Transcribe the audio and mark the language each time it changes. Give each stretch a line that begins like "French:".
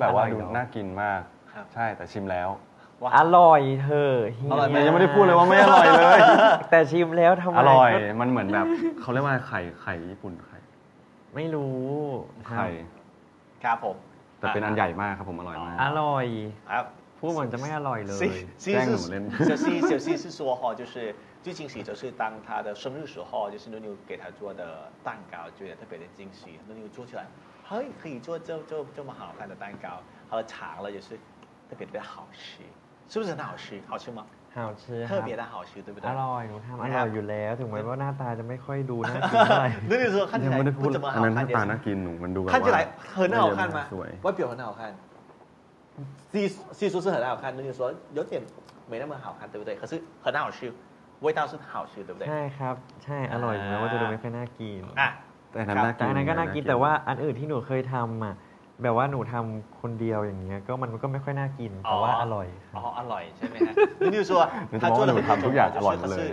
Thai: แบบว่าดูน่ากินมากใช่แต่ชิมแล้ว อร่อยเธอเฮีย ยังไม่ได้พูดเลยว่าไม่อร่อยเลย แต่ชิมแล้วทำไม อร่อยมันเหมือนแบบเขาเรียกว่าไข่ญี่ปุ่นไข่ไม่รู้ไข่ครับผม แต่เป็นอันใหญ่มากครับผมอร่อยมาก อร่อย ครับ พูดเหมือนจะไม่อร่อยเลย แจ้งหนูเล่น
Chinese: เซี่ย是说哈就是最惊喜就是当他的生日时候，就是努努给他做的蛋糕，觉得特别的惊喜。努努做起来，嘿，可以做这么好看的蛋糕，好了尝了也是特别特别好吃，是不是很好吃？好吃吗？好吃，特别的好吃，对不对？
Thai: อร่อย，ทำอร่อยอยู่แล้ว，ถึงแม้ว่าหน้าตาจะไม่ค่อยดูน่ากินเท่าไหร่。
Chinese: 努努说看起来不怎么好看，
Thai: หน้าตาน่ากินหนูมันดู แบบว่า
Chinese: 很好看吗？外表很好看。细说是很好看，努努说有点没那么好看，对不对？可是很好吃。味道是好吃对不对
Thai: ใช่ครับใช่อร่อยแม้ว่าจะดูไม่ค่อยน่ากิน แต่นั้นน่ากิน แต่นั้นก็น่ากินแต่ว่าอันอื่นที่หนูเคยทำอ่ะแบบว่าหนูทำคนเดียวอย่างเงี้ยก็มันก็ไม่ค่อยน่ากินแต่ว่าอร่อย อ๋ออร่อยใช่ไหมฮะ นี่คือ ว่ าหนูทำทุกอย่างอร่อยเลย